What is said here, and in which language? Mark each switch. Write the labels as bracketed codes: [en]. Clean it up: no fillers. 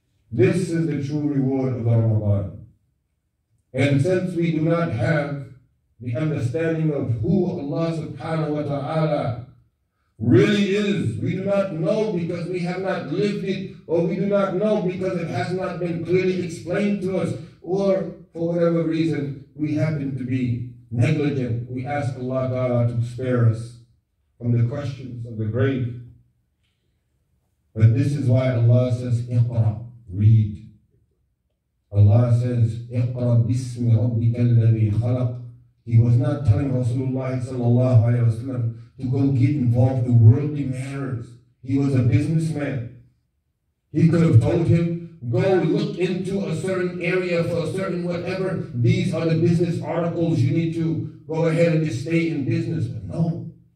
[en] This is the true reward of the Ramadan. And since we do not have the understanding of who Allah subhanahu wa ta'ala really is, we do not know because we have not lived it, or we do not know because it has not been clearly explained to us, or for whatever reason we happen to be negligent, we ask Allah ta'ala to spare us from the questions of the grave. But this is why Allah says, Iqra. Read. [ar] Allah says, اقرأ باسم ربك الذي خلق. [en] He was not telling Rasulullah sallallahu alayhi wa sallam to go get involved in worldly matters. He was a businessman. He could have told him, go look into a certain area for a certain whatever. These are the business articles you need to go ahead and just stay in business. But no.